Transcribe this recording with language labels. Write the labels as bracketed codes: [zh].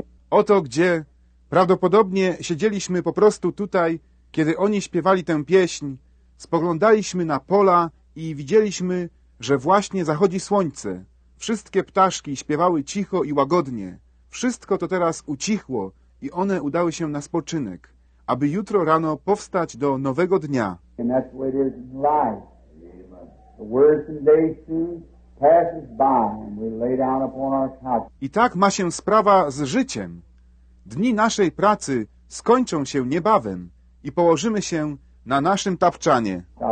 [pl] Oto gdzie... Prawdopodobnie siedzieliśmy po prostu tutaj, kiedy oni śpiewali tę pieśń, spoglądaliśmy na pola i widzieliśmy, że właśnie zachodzi słońce. Wszystkie ptaszki śpiewały cicho i łagodnie. Wszystko to teraz ucichło i one udały się na spoczynek, aby jutro rano powstać do nowego dnia. [en] And that's the way it is in life. The worst and day soon passes by and we lay down upon our couch. [pl] I tak ma się sprawa z życiem. Dni naszej pracy skończą się niebawem i położymy się na naszym tapczanie.